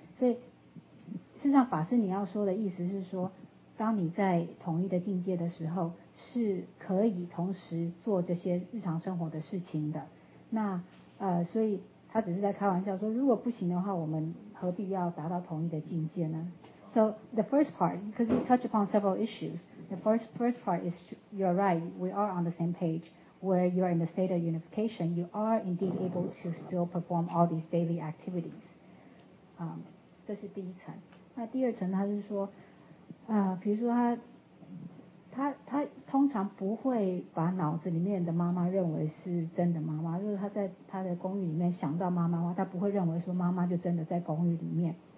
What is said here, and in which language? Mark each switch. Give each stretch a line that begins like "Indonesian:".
Chinese: 所以，事实上法师你要说的意思是说，当你在统一的境界的时候，是可以同时做这些日常生活的事情的。那所以他只是在开玩笑说，如果不行的话，我们何必要达到统一的境界呢？
English: So the first part, because you touch upon several issues, the first part is you're right, we are on the same page, where you're in the state of unification, you are indeed able to still perform all these daily activities.
Chinese: 这是第一层。那第二层他是说，比如说他通常不会把脑子里面的妈妈认为是真的妈妈，就是他在他的公寓里面想到妈妈的话，他不会认为说妈妈就真的在公寓里面。